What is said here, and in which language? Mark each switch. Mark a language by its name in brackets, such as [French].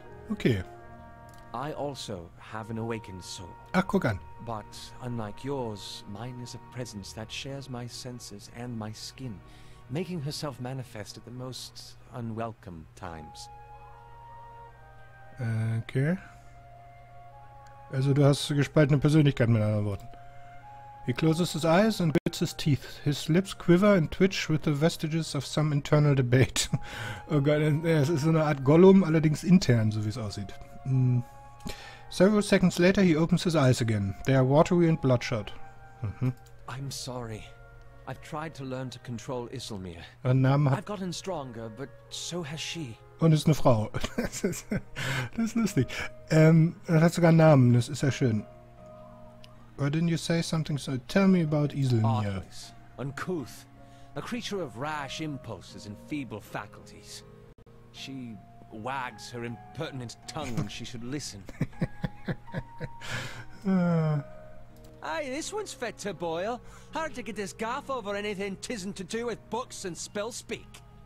[English] Okay. I also have an awakened soul. [German] Ach, guck an. [English] But unlike yours, mine is a presence that shares my senses and my skin, making herself manifest at the most unwelcome times. Okay. [German] Also du hast gespaltene Persönlichkeit, mit anderen Worten. [English] He closes his eyes and grits his teeth. His lips quiver and twitch with the vestiges of some internal debate. [German] Oh Gott, es ist so eine Art Gollum, allerdings intern, so wie es aussieht. [English] Several seconds later, he opens his eyes again. They are watery and bloodshot. I'm sorry. I've tried to learn to control Isselmir. I've gotten stronger, but so has she. [German] Und ist eine Frau. Das ist lustig. Er hat sogar einen Namen, das ist ja schön. [English] Why didn't you say something so? Tell me about Isselmir. Artless, uncouth, a creature of rash impulses and feeble faculties. She wags her impertinent tongue when she should listen. Aye, this one's fit to boil. Hard to get this gaff over anything tisn't to do with books and spell speak.